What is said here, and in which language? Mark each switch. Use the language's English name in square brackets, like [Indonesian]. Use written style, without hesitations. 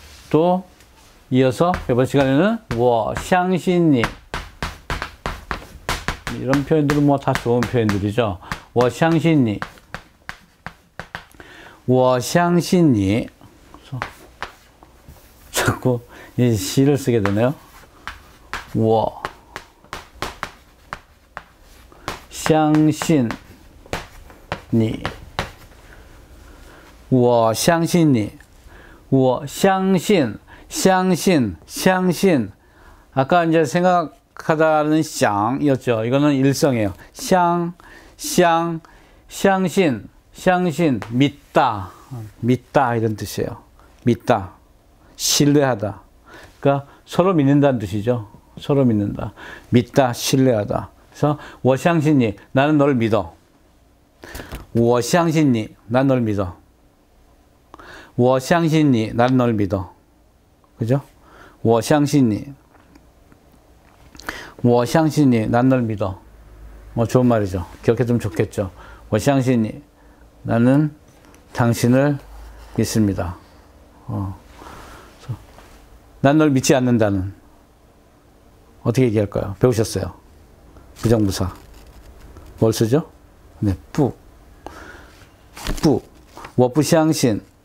[Korean] 또 이어서 이번 시간에는 [Chinese] 我相信你. [Korean] 이런 표현들은 뭐 다 좋은 표현들이죠. [Chinese] 我相信你. 我相信你. [Korean] 자꾸 이 시를 쓰게 되네요. [Chinese] 我 相信你, 我相信你, 我相信, 相信, 相信. [Korean] 아까 이제 생각하다는 想이었죠. 이거는 일성이에요. [Chinese] 相, 相, 相信, 相信, [Korean] 믿다, 믿다 이런 뜻이에요. 믿다, 신뢰하다. 그러니까 서로 믿는다는 뜻이죠. 서로 믿는다, 믿다, 신뢰하다. [Chinese] 我相信你, [Korean] 나는 너를 믿어. [Chinese] 我相信你, [Korean] 난 너를 믿어. 我相信你, 난 너를 믿어. 그죠? [Chinese] 我相信你, 我相信你, [Korean] 난 너를 믿어. 뭐 좋은 말이죠. 기억해두면 좋겠죠. [Chinese] 我相信你, [Korean] 나는 당신을 믿습니다. 난 너를 믿지 않는다는. 어떻게 얘기할까요? 배우셨어요? 부정부사. 뭘 쓰죠? 네, 부. 부. [Chinese] 我不相信.